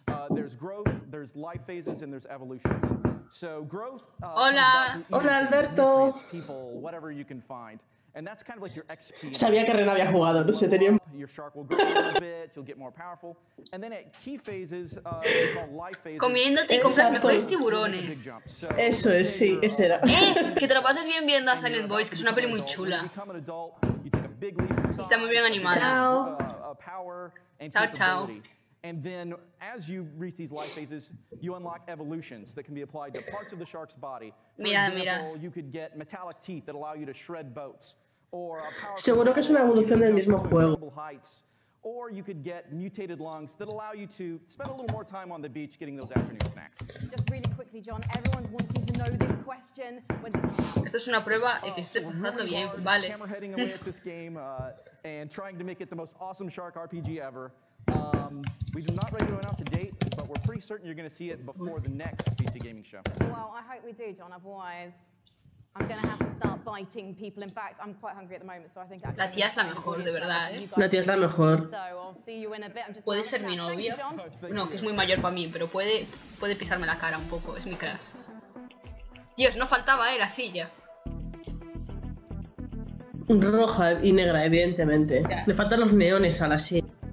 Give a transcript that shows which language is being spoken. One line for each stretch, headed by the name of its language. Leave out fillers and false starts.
English: There's growth, there's life phases, and there's evolutions. So growth.
Spanish: Hola, Alberto.
English: People, whatever you can find, and that's kind of like your XP.
Spanish: Sabía que Ren había jugado, no sé, tenía.
English: Your shark will grow a little bit. You'll get more powerful. And then at key phases, life phases.
Spanish: Comiéndote y compras mejores tiburones. Eso es, sí, ese era. Que te lo pases bien viendo a Silent Voice, que es una peli muy chula.
English: Become an adult, you take a big leap.
Spanish: Está muy bien animada. Chao. Chao, chao.
English: And then as you reach these life phases, you unlock evolutions that can be applied to parts of the shark's body. For example, you could get metallic teeth that allow you to shred boats.
Spanish: Seguro que es una evolución del mismo juego.
English: Or you could get mutated lungs that allow you to spend a little more time on the beach getting those afternoon snacks. Just really quickly, John, everyone's wanting to know this question.
Spanish: Esto es una prueba de que esté pasando bien, vale.
English: Hammer heading away at this game and trying to make it the most awesome shark RPG ever. We do not ready to announce a date, but we're pretty certain you're going to see it before the next PC gaming show. Well, I hope we do, John, otherwise I'm going to have to start biting people. In fact, I'm quite hungry at the moment, so I think
Spanish: la tía es la mejor, de verdad, ¿eh? La tía es la mejor. Puede ser mi novia. No, que es muy mayor para mí, pero puede pisarme la cara un poco. Es mi crush. Dios, no faltaba, ¿eh? La silla. Roja y negra, evidentemente. Le faltan los neones a la silla.